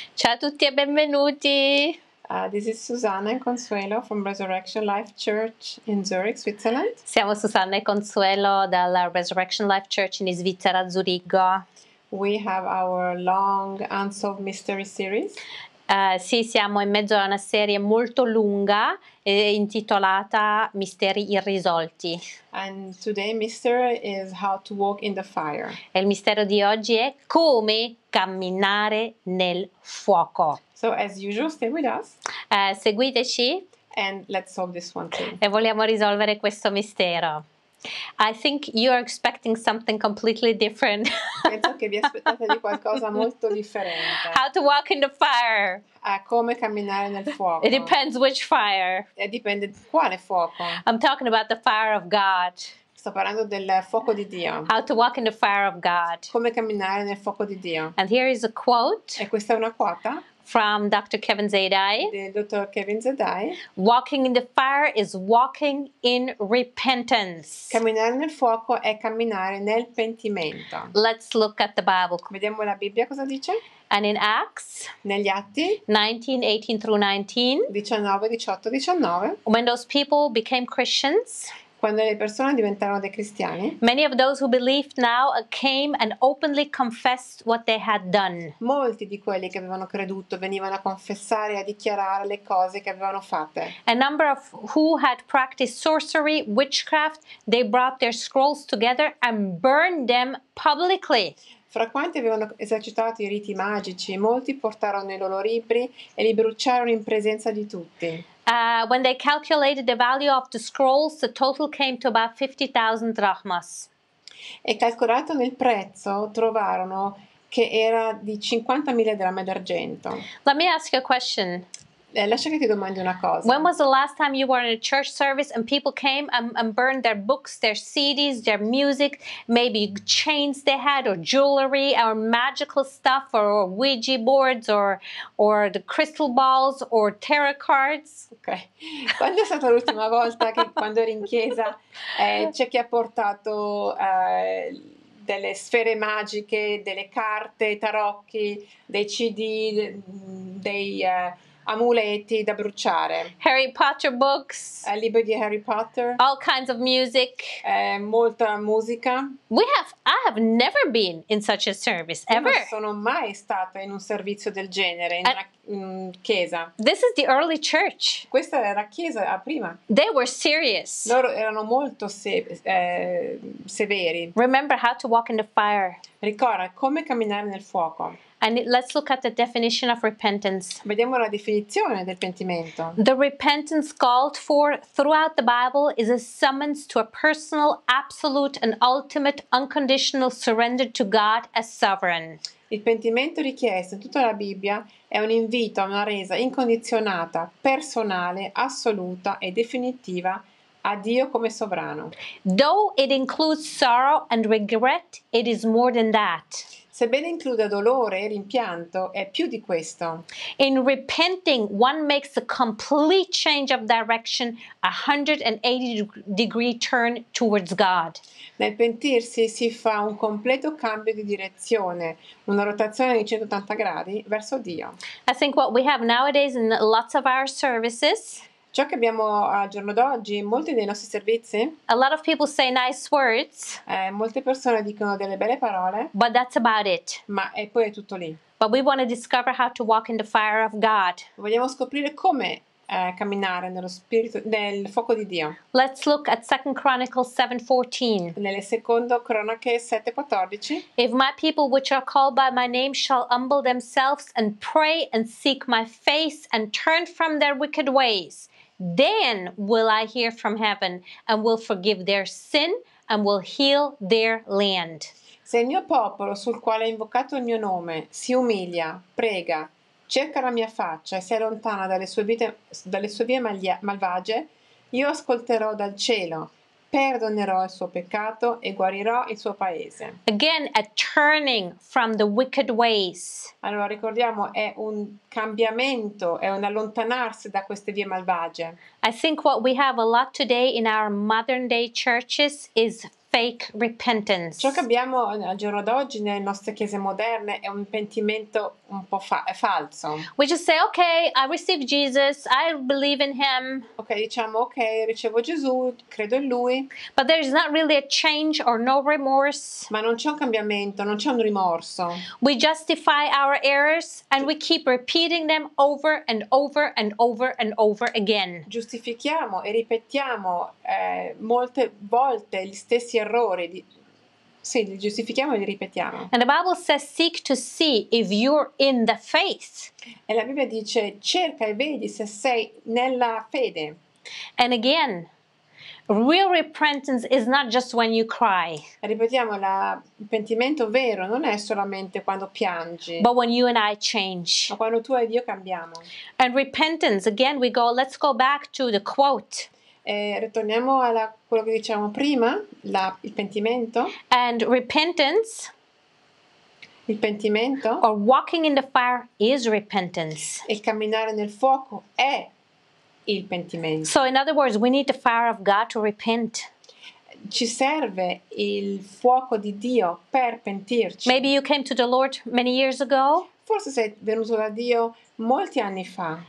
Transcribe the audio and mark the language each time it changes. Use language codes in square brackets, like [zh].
[it] Ciao a tutti e benvenuti. [en] This is Susanna and Consuelo from Resurrection Life Church in Zurich, Switzerland. [it] Siamo Susanna e Consuelo dalla Resurrection Life Church in Svizzera, Zurigo. [en] We have our long Unsolved Mystery series. [it] Sì, siamo in mezzo a una serie molto lunga intitolata Misteri irrisolti. [en] And today mystery is how to walk in the fire. [it] E il mistero di oggi è come camminare nel fuoco. [en] So as usual, stay with us. [it] Seguiteci. [en] And let's solve this one too. [it] E vogliamo risolvere questo mistero. [en] I think you are expecting something completely different. [it] Penso che vi aspettate di qualcosa molto differente. [en] How to walk in the fire. [it] Come camminare nel fuoco. [en] It depends which fire. [it] E dipende quale fuoco. [en] I'm talking about the fire of God. [it] Sto parlando del fuoco di Dio. [en] How to walk in the fire of God. [it] Come camminare nel fuoco di Dio. [en] And here is a quote. [it] E questa è una quota. [en] From Dr. Kevin Zadai. [it] Dr. Kevin Zadai. [en] Walking in the fire is walking in repentance. [it] Camminare nel fuoco è camminare nel pentimento. [en] Let's look at the Bible. [it] Vediamo la Bibbia cosa dice. [en] And in Acts. [it] Negli Atti. [en] 19:18-19. When those people became Christians. [it] Quando le persone diventarono dei cristiani. [en] Many of those who believed now came and openly confessed what they had done. [it] Molti di quelli che avevano creduto venivano a confessare e a dichiarare le cose che avevano fatte. [en] A number of who had practiced sorcery, witchcraft, they brought their scrolls together and burned them publicly. [it] Fra quanti avevano esercitato i riti magici, molti portarono i loro libri e li bruciarono in presenza di tutti. [en] When they calculated the value of the scrolls, the total came to about 50,000 drachmas. [it] E calcolato nel prezzo, trovarono che era di 50.000 dirhami d'argento. [en] Let me ask you a question. [it] Lascia che ti domandi una cosa. [en] When was the last time you were in a church service and people came and burned their books, their CDs, their music, maybe chains they had or jewelry or magical stuff or Ouija boards or the crystal balls or tarot cards? Ok. [it] Quando è stata l'ultima volta che quando eri in chiesa c'è chi ha portato delle sfere magiche, delle carte, tarocchi, dei CD, dei amuleti da bruciare. [en] Harry Potter books. [it] Libri di Harry Potter. [en] All kinds of music. [it] Molta musica. [en] I have never been in such a service, ever. [it] Non sono mai stata in un servizio del genere, in una chiesa. [en] This is the early church. [it] Questa era la chiesa a prima. [en] They were serious. [it] Loro erano molto severi. [en] Remember how to walk in the fire. [it] Ricorda come camminare nel fuoco. [en] And let's look at the definition of repentance. [it] Vediamo la definizione del pentimento. [en] The repentance called for throughout the Bible is a summons to a personal, absolute, and ultimate, unconditional surrender to God as sovereign. [it] Il pentimento richiesto in tutta la Bibbia è un invito a una resa incondizionata, personale, assoluta e definitiva a Dio come sovrano. [en] Though it includes sorrow and regret, it is more than that. [it] Sebbene includa dolore e rimpianto, è più di questo. [en] In repenting, one makes a complete change of direction, a 180-degree turn towards God. [it] Nel pentirsi si fa un completo cambio di direzione, una rotazione di 180 gradi verso Dio. [en] I think what we have nowadays in lots of our services. [it] Ciò che abbiamo al giorno d'oggi, molti dei nostri servizi. [en] A lot of people say nice words. [it] Molte persone dicono delle belle parole. [en] But that's about it. [it] Ma e poi è tutto lì. [en] But we want to discover how to walk in the fire of God. [it] Vogliamo scoprire come camminare nello spirito, nel fuoco di Dio. [en] Let's look at 2 Chronicles 7:14. [it] Nelle Secondo Cronache 7:14. [en] If my people which are called by my name shall humble themselves and pray and seek my face and turn from their wicked ways, then will I hear from heaven and will forgive their sin and will heal their land. [it] Se il mio popolo sul quale ho invocato il mio nome si umilia, prega, cerca la mia faccia e si allontana dalle sue vie malvagie, io ascolterò dal cielo, perdonerò il suo peccato e guarirò il suo paese. [en] Again, a turning from the wicked ways. [it] Allora ricordiamo, è un cambiamento, è un allontanarsi da queste vie malvagie. [en] I think what we have a lot today in our modern day churches is fake repentance. [it] Ciò che abbiamo al giorno d'oggi nelle nostre chiese moderne è un pentimento un po' falso. [en] We just say, okay, I receive Jesus, I believe in him. [it] Ok, diciamo, ok, ricevo Gesù, credo in lui. [en] But there is not really a change or no remorse. [it] Ma non c'è un cambiamento, non c'è un rimorso. [en] We justify our errors and we keep repeating them over and over and over and over again. [it] Giustifichiamo e ripetiamo molte volte gli stessi errori di... Sì, li giustifichiamo e li ripetiamo. [en] And the Bible says, seek to see if you're in the faith. [it] E la Bibbia dice, cerca e vedi se sei nella fede. [en] And again, real repentance is not just when you cry. [it] Ripetiamo, il pentimento vero non è solamente quando piangi. [en] But when you and I change. [it] Ma quando tu ed io cambiamo. [en] And repentance, again, we go, let's go back to the quote. [it] E ritorniamo a quello che dicevamo prima, il pentimento. [en] And repentance, [it] il pentimento, [en] or walking in the fire is repentance. [it] Il camminare nel fuoco è il pentimento. [en] So in other words, we need the fire of God to repent. [it] Ci serve il fuoco di Dio per pentirci. [en] Maybe you came to the Lord many years ago. [it] Forse sei venuto da Dio molti anni fa.